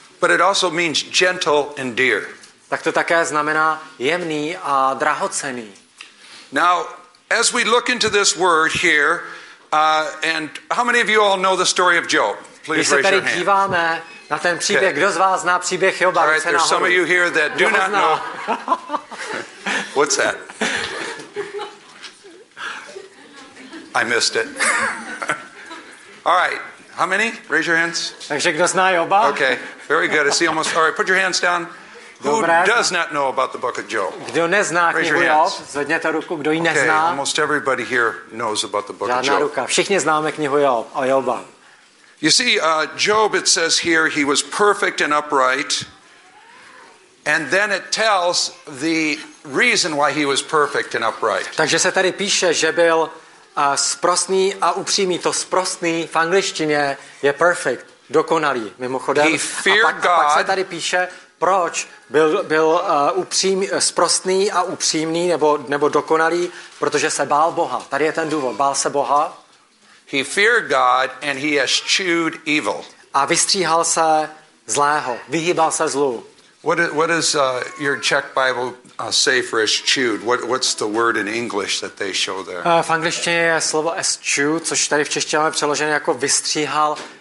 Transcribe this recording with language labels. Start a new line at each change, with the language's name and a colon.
English: But it also means gentle and dear.
Czech: Tak to také znamená jemný a drahocenný.
English: Now, as we look into this word here, and how many of you all know the story of Job? Please raise your hand.
Czech: Když se tady díváme na ten příběh, okay. Kdo z vás zná příběh Joba?
English: All right, there's some of you here that do not know. What's that? I missed it. All right, how many? Raise your hands.
Czech: Takže kdo zná Joba?
English: Okay, very good. I see almost. All right, put your hands down. Who does not know about the book of Job?
Czech: Kdo nezná knihu Job? Zvedněte ruku, kdo ji nezná.
English: Okay, almost everybody here knows about the book of Job.
Czech: Ruka. Všichni známe knihu Job, o Joba.
English: You see, Job, it says here, he was perfect and upright. And then it tells the reason why he was perfect and upright.
Czech: Takže se tady píše, že byl sprostný a upřímý. To sprostný v angličtině je perfect, dokonalý, mimochodem.
English: He feared God.
Czech: A pak se tady píše, proč byl sprostný a upřímný nebo dokonalý, protože se bál Boha. Tady je ten důvod, bál se Boha.
English: He feared God and he eschewed evil.
Czech: A vystříhal se zlého, vyhýbal se zlu.
English: What does your Czech Bible say for eschewed? What's the word in English that they show there?
Czech: V angličtině je slovo eschew, což tady v češtině máme přeložené jako vystříhal.